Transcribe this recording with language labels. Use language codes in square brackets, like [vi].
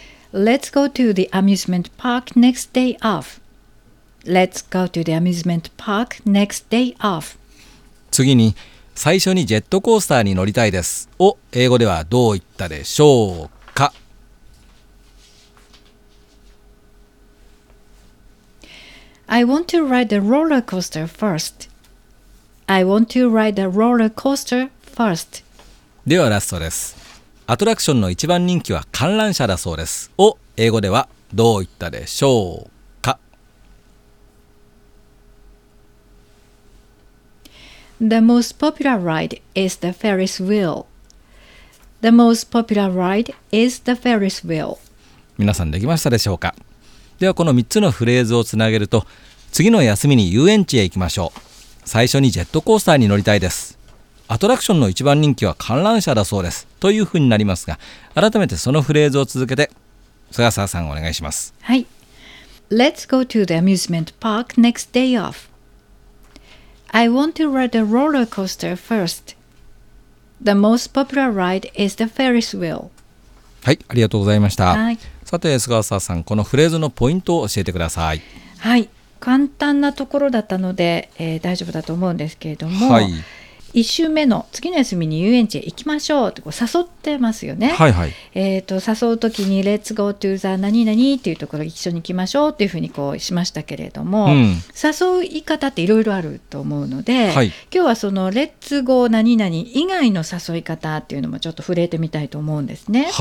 [en] Let's go to the amusement park next day off. Let's go to the amusement park next day off. [ja] 次に、最初にジェットコースターに乗りたいですを英語ではどう言ったでしょうか。 [en] I want to ride a roller coaster first. I want to ride a roller coaster first. [ja] ではラストです。アトラクションの一番人気は観覧車だそうですを英語ではどう言ったでしょうか。 [en] The most popular ride is the Ferris wheel. The most popular ride is the Ferris wheel. [ja] 皆さんできましたでしょうか。ではこの3つのフレーズをつなげると、次の休みに遊園地へ行きましょう、最初にジェットコースターに乗りたいです、アトラクションの一番人気は観覧車だそうですというふうになりますが、改めてそのフレーズを続けて菅沢さんお願いします。はい。 [en] Let's go to the amusement park next day off. I want to ride a roller coaster first. The most popular ride is the Ferris wheel. [ja] はい、ありがとうございました。はい、さて菅沢さん、このフレーズのポイントを教えてください。はい、簡単なところだったので、大丈夫だと思うんですけれども、はい、1週目の次の休みに遊園地へ行きましょうと誘ってますよね。はいはい、誘うときに [en] Let's go to the [ja] 何々っていうところ一緒に行きましょうっていうふうにこうしましたけれども、うん、誘う言い方っていろいろあると思うので、はい、今日はその [en] Let's go [ja] 何々以外の誘い方っていうのもちょっと触れてみたいと思うんですね。